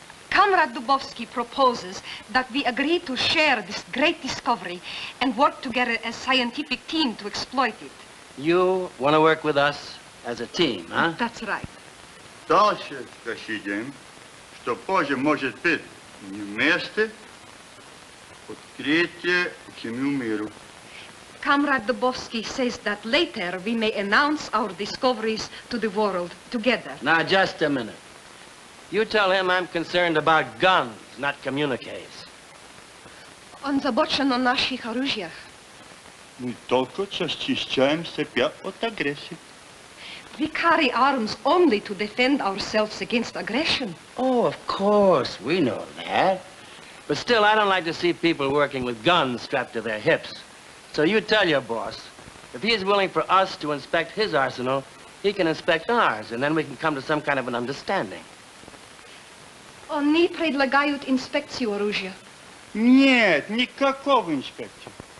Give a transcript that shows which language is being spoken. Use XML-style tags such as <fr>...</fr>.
<en>Comrade Dubovsky proposes that we agree to share this great discovery and work together as a scientific team to exploit it. You want to work with us as a team, huh? That's right.</en> <ru>Дальше скажите, что позже может быть не вместе открытие всему миру.</ru> <en>Comrade Dubovsky says that later we may announce our discoveries to the world together. Now, just a minute. You tell him I'm concerned about guns, not communiques.</en> <ru>Он забочен о наших оружиях. Мы только защищаем себя от агрессии.</ru> <en>We carry arms only to defend ourselves against aggression. Oh, of course, we know that. But still, I don't like to see people working with guns strapped to their hips. So you tell your boss, if he is willing for us to inspect his arsenal, he can inspect ours, and then we can come to some kind of an understanding.</en> <ru>Они предлагают инспекцию оружия. Нет, никакого инспекции.</ru>